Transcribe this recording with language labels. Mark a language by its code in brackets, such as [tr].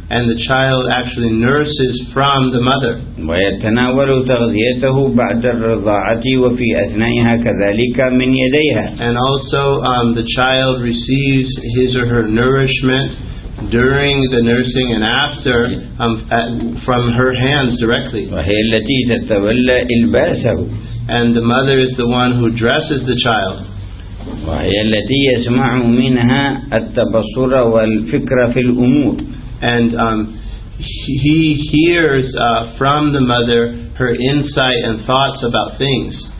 [en] And the child actually nurses from the mother. [ar] ويتناول تغذيته بعد الرضاعة وفي أثنائها كذلك من يديها. [en] And also the child receives his or her nourishment during the nursing and after from her hands directly. [ar] وهي التي تتولى إلباسه. [en] And the mother is the one who dresses the child. [ar] وهي التي يسمع منها التبصر والفكر في الأمور. [en] And he hears from the mother her insight and thoughts about things.